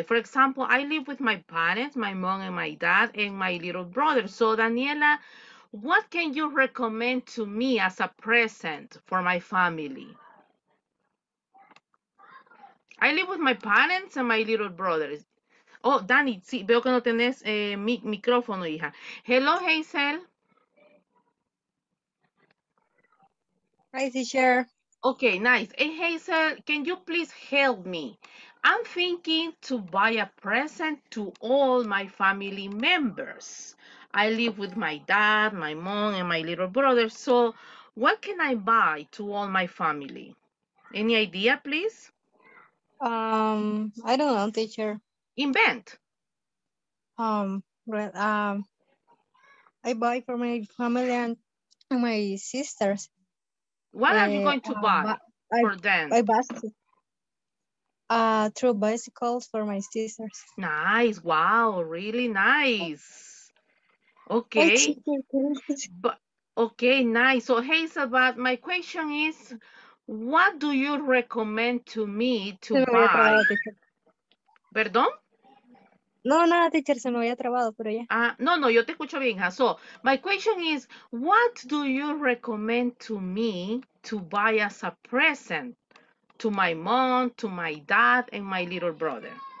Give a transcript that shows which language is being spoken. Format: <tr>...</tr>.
<en>For example, I live with my parents, my mom and my dad, and my little brother. So, Daniela, what can you recommend to me as a present for my family? I live with my parents and my little brothers.</en> <es>Oh, Dani, sí, veo que no tenés micrófono, hija.</es> <en>Hello, Hazel. Hi, teacher. Okay, nice. Hey, Hazel, can you please help me? I'm thinking to buy a present to all my family members. I live with my dad, my mom, and my little brother. So, what can I buy to all my family? Any idea, please? I don't know, teacher. Invent. I buy for my family and my sisters. What are you going to buy for them? I bought two bicycles for my sisters. Nice. Wow. Really nice. Hey, Okay. teacher, can you teach? But okay, nice. So, Hazel, but my question is, what do you recommend to me to</en> <es>Se me había</es> <en>buy?</en> <es>trabado, teacher. Perdón. No, nada, teacher, se me había trabado, pero ya. No, yo te escucho bien, ja.</es> <en>So, my question is, what do you recommend to me to buy as a present to my mom, to my dad, and my little brother?</en>